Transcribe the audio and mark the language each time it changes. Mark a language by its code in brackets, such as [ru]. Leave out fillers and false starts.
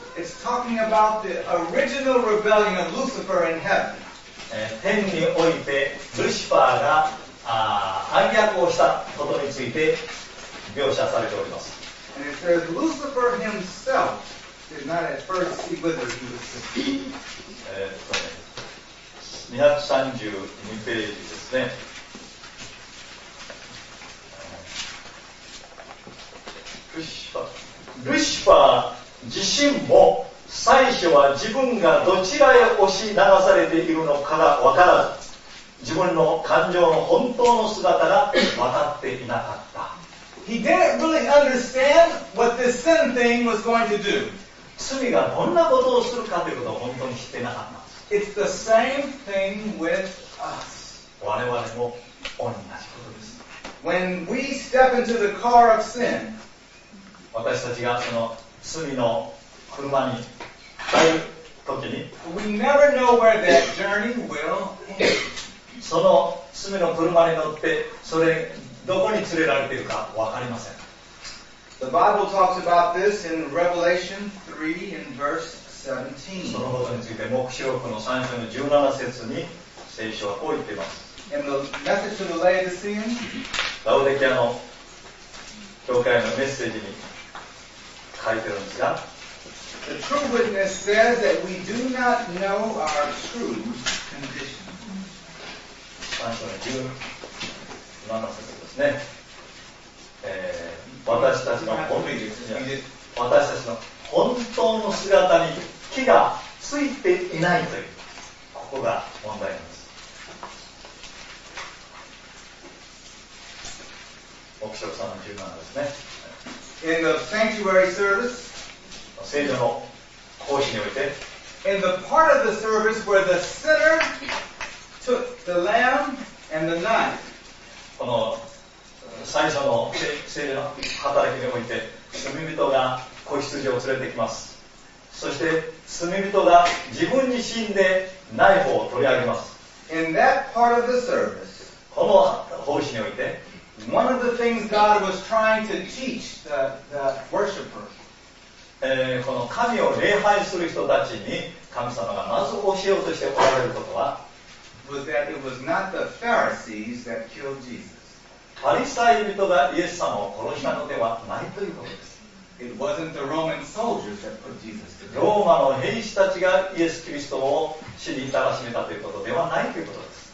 [en] It's talking about the original rebellion of Lucifer in heaven. [ja] 天においてルシファーが反逆をしたことについて描写されております。 [en] And it says Lucifer himself did not at first see whether he was sinning. [ja] 232ページですね。ルシファー自身も最初は自分がどちらへ押し流されているのかが分からず、自分の感情の本当の姿が分かっていなかった。 [en] He didn't really understand what this sin thing was going to do. [ja] 罪がどんなことをするかということを本当に知ってなかった。 [en] It's the same thing with us. [ja] 我々も同じことです。 [en] When we step into the car of sin, [ja] 私たちがその罪の車に入るときに、 [en] We never know where that journey will end. [ja] その罪の車に乗って、それどこに連れられているか分かりません。 [en] The Bible talks about this in Revelation 3 in verse 17. [ja] そのことについて、黙示録の3章の17節に聖書はこう言っています。 [en] In the message to the Laodiceans, [ja] ラオデキアの教会のメッセージに書いてるんですが、 [en] The true witness says that we do not know our true condition. [ja] 3章の17節ですね。私たちの本当の姿に、私たちの本当の姿に気がついていないという、ここが問題なんです。黙示録3の17ですね。 [en] In the sanctuary service, [ja] 聖所の行使において、 [en] In the part of the service where the sinner took the lamb and the knife, [ja] この最初の聖所の働きにおいて、罪人が子羊を連れてきます。そして罪人が自分自身でナイフを取り上げます。 [en] In that part of the service, [ja] この奉仕において、 [en] One of the things God was trying to teach the worshiper, [ja] この神を礼拝する人たちに神様がまず教えようとしておられることは、 [en] was that it was not the Pharisees that killed Jesus. [ja] パリサイ人がイエス様を殺したのではないということです。 [en] It wasn't the Roman soldiers that put Jesus to death. [ja] ローマの兵士たちがイエス・キリストを死にたらしめたということではないということです。